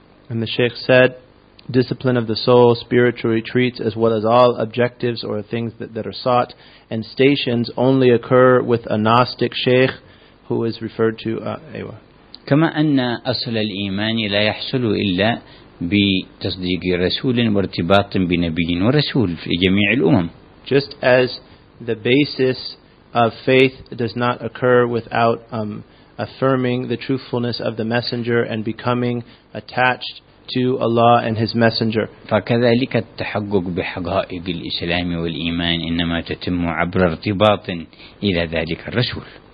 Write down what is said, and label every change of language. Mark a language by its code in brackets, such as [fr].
[en] And the Sheikh said, discipline of the soul, spiritual retreats, as well as all objectives or things that are sought and stations only occur with a Gnostic Sheikh who is referred to Aywa. [ar] كما أن أصل الإيمان لا يحصل إلا بتصديق رسول وارتباط بنبي ورسول في جميع الأمم. [en] Just as the basis of faith does not occur without affirming the truthfulness of the messenger and becoming attached to Allah and His Messenger. [ar] فكذلك التحقق بحقائق الإسلام والإيمان إنما تتم عبر ارتباط إلى ذلك الرسول.